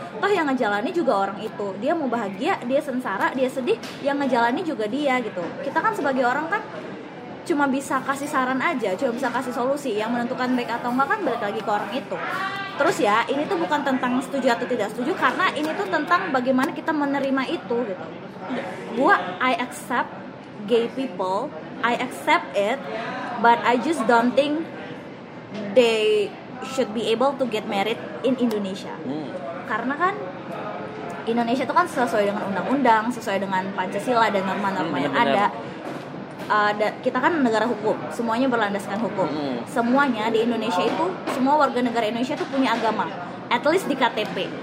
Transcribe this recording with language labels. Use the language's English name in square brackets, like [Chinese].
[Indonesian] Toh yang ngejalani juga orang itu, dia mau bahagia, dia sengsara, dia sedih, yang ngejalani juga dia gitu. Kita kan sebagai orang kan cuma bisa kasih saran aja, cuma bisa kasih solusi. Yang menentukan baik atau enggak kan balik lagi ke orang itu. Terus ya, ini tuh bukan tentang setuju atau tidak setuju, karena ini tuh tentang bagaimana kita menerima itu gitu. [English] Gua, I accept gay people, I accept it, but I just don't think they should be able to get married in Indonesia. [Indonesian] Karena kan Indonesia tuh kan sesuai dengan undang-undang, sesuai dengan Pancasila dan norma-norma yang ada. Kita kan negara hukum, semuanya berlandaskan hukum. Semuanya di Indonesia itu, semua warga negara Indonesia itu punya agama, [English] at least [Indonesian] di KTP.